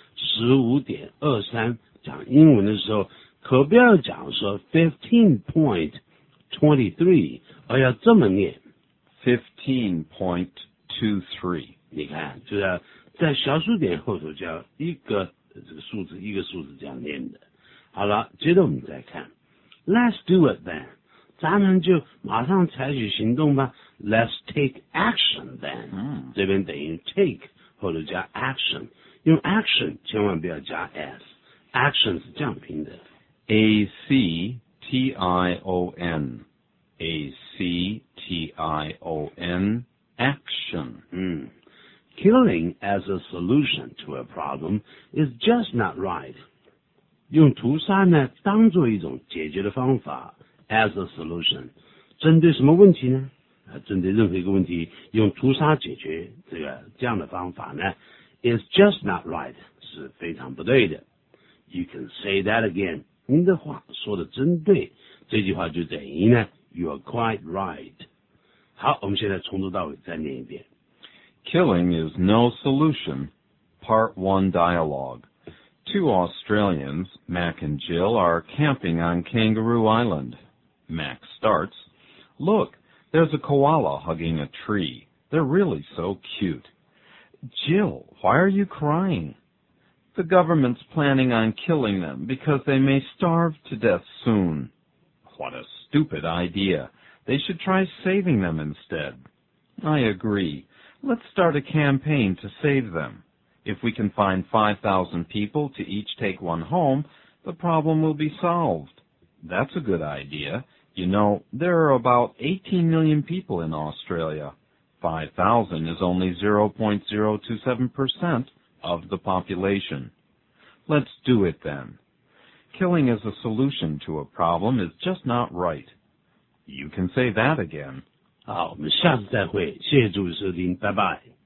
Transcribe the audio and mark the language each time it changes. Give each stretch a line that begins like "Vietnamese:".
Chinese: 15.23讲英文的时候可不要讲说 15.23， 而要这么念 15.23。你看，就是在小数点后头叫一个这个数字一个数字这样念的。好了，接着我们再看 ，
English: Let's do it then，
Chinese: 咱们就马上采取行动吧。
English: Let's take action then，
Chinese: 这边等于 take 后头加 action， 用 action 千万不要加 s， action 是这样拼的
English: ，A C T I O N， A C T I O N， action， Killing as a solution to a problem is just not right。
Chinese: 用屠杀呢当做一种解决的方法 ，
English: as a solution，
Chinese: 针对什么问题呢？针对任何一个问题，用屠杀解决这样的方法呢 ，
English: is just not right，
Chinese: 是非常不对的。
English: You can say that again，
Chinese: 您的话说的真对，这句话就等于呢 ，
English: you are quite right。
Chinese: 好，我们现在从头到尾再念一遍。
English: Killing is no solution. Part 1 dialogue. Two Australians, Mac and Jill, are camping on Kangaroo Island. Mac starts, Look, there's a koala hugging a tree. They're really so cute. Jill, why are you crying? The government's planning on killing them because they may starve to death soon. What a stupid idea. They should try saving them instead. I agree. Let's start a campaign to save them. If we can find 5,000 people to each take one home, the problem will be solved. That's a good idea. You know, there are about 18 million people in Australia. 5,000 is only 0.027% of the population. Let's do it then. Killing as a solution to a problem is just not right. You can say that again.
Chinese: 好，我们下次再会，谢谢主持人，拜拜。